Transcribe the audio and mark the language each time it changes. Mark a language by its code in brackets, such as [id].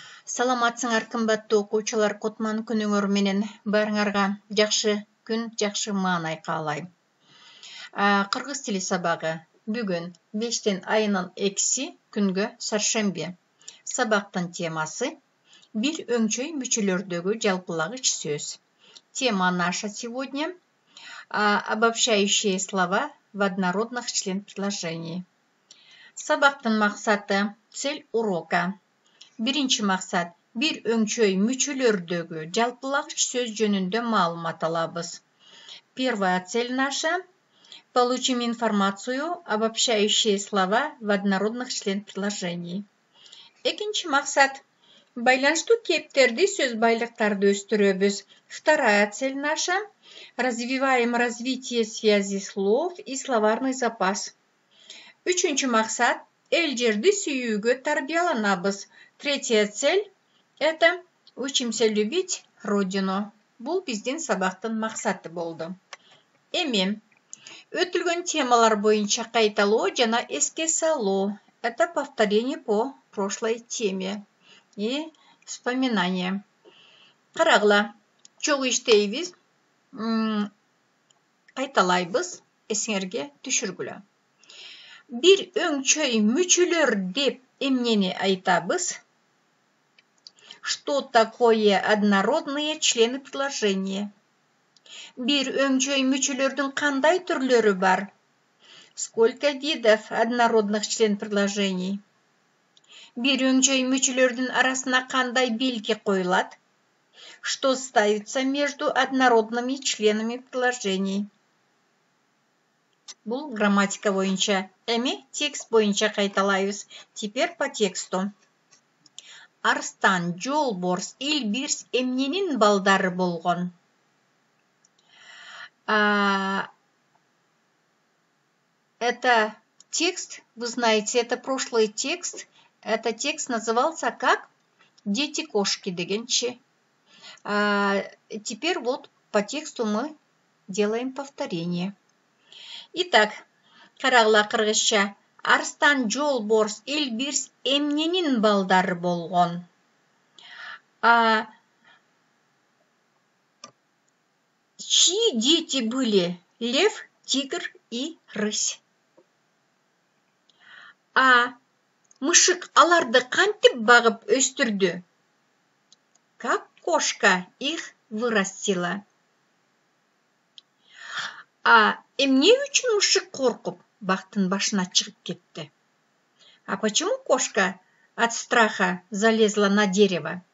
[ky] Саламатсыңар, кымбатты окуучулар, кутман күнүңөр менен баарыңарга жакшы күн, жакшы маанай каалайм. Кыргыз тили сабагы бүгүн 5-тен айынын 2-си күнгө шаршемби. Сабактын темасы бир өңчөй мүчөлөрдөгү жалпылагыч сөз. [ru] Тема наша сегодня обобщающие слова в однородных член предложений. Сабактын максаты, цель урока. [ky] Биринчи максат – бир өңчөй мүчөлөрдөгү жалпылагыч сөз жөнүндө маалымат алабыз. [ru] Первая цель наша – получим информацию, обобщающие слова в однородных член предложений. [ky] Экинчи максат – байланыштуу кептерди сөз байлыктарды өстүрөбүз. [ru] Вторая цель наша – развиваем развитие связи слов и словарный запас. [ky] Үчүнчү максат – эл жерди сүйүүгө тарбияланабыз. [ru] Третья цель – это учимся любить Родину. [ky] Бул биздин сабактын максаты болду. Эми, өтүлгөн темалар боюнча кайталоо жана эске салуу. [ru] Это повторение по прошлой теме и вспоминание. [ky] Карагыла, чогу иштейбиз, кайталайбыз, эсиңерге түшүргүлө. Бир өңчөй мүчөлөр деп эмнени айтабыз? [ru] Что такое однородные члены предложения? [ky] Бир өңчөй мүчөлөрдүн кандай түрлөрү бар? [ru] Сколько видов однородных член предложений? [ky] Бир өңчөй мүчөлөрдүн арасына кандай белги коюлат? [ru] Что ставится между однородными членами предложений? [ky] Бул грамматика боюнча. Эми текст боюнча кайталайбыз. [ru] Теперь по тексту. [ky] Арстан, Жолборс, Илбирс эмненин балдары болгон? [ru] Это текст, вы знаете, это прошлый текст. Этот текст назывался как «Дети кошки» дегенчи. Теперь вот по тексту мы делаем повторение. [ky] Итак, карагыла кыргызча. Арстан, Жолборс, Илбирс эмненин балдары болгон? [ru] Чьи дети были? Лев, тигр и рысь. [ky] Мышык аларды кантип багып өстүрдү? [ru] Как кошка их вырастила? [ky] Эмне үчүн мышык коркуп бактын башына чыгып кетти? [ru] А почему кошка от страха залезла на дерево?